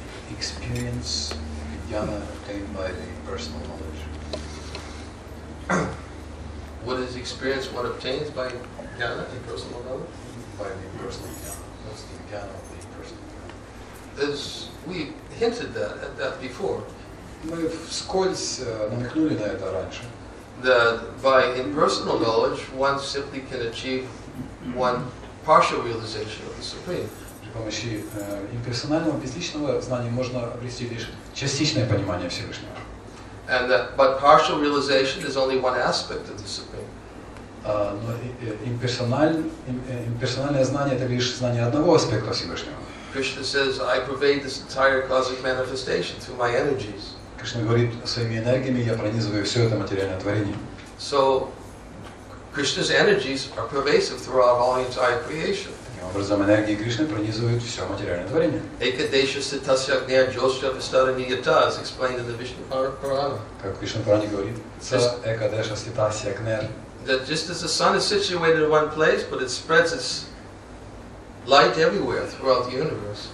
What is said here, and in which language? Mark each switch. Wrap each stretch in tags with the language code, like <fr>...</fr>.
<en>Experience jnana obtained by the impersonal knowledge. What is experience? What obtains by jnana, impersonal knowledge? By the impersonal jnana. What's the jnana of the impersonal jnana? As we hinted that at that before.</en> <ru>Мы вскользь намекнули на это раньше.</ru> <en>That by impersonal knowledge one simply can achieve one partial realization of the Supreme.</en> <ru>При помощи имперсонального безличного знания можно обрести лишь частичное понимание Всевышнего.</ru> <en>And that, but partial realization is only one aspect of the Supreme.</en> <ru>Но имперсональное знание это лишь знание одного аспекта Всевышнего.</ru> <en>Krishna says, I pervade this entire cosmic manifestation through my energies.</en> <ru>Кришна говорит своими энергиями, я пронизываю все это материальное творение.</ru> <en>So, Krishna's energies are pervasive throughout all entire creation.</en> <ru>Таким образом, энергии Кришны пронизывают все материальное творение.</ru> <sa>Ekadesha sitasya gnya josya vistara niyata</sa> <en>is explained in the Vishnu Purana.</en> <ru>Как Кришна Пуране говорит,</ru> <sa>ca ekadesha sitasya gnya.</sa> <en>That just as the sun is situated in one place, but it spreads its light everywhere throughout the universe.</en>